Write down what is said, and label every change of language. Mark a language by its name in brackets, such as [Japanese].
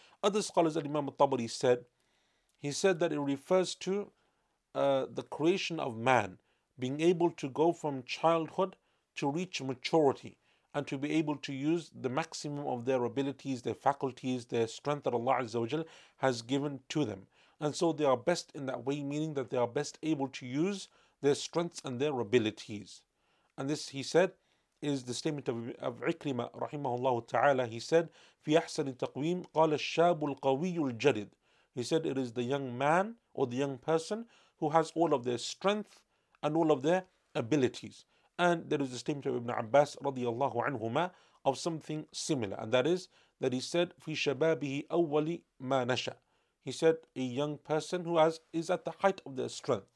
[English] Other scholars, Imam al-Tabari said, he said that it refers to the creation of man, being able to go from childhood to reach maturity and to be able to use the maximum of their abilities, their faculties, their strength that Allah Azza wa Jal has given to them. And so they are best in that way, meaning that they are best able to use their strengths and their abilities. And this, he said, is the statement of Ikrima rahimahullah ta'ala. He said, [Arabic] في أحسن تقويم قال الشاب القوي الجديد. [English] He said, it is the young man or the young person who has all of their strength and all of their abilities. And there is a statement of Ibn Abbas radiallahu anhuma of something similar. And that is that he said, [Arabic] في شبابه أول ما نشأ. [English] He said, a young person who is at the height of their strength.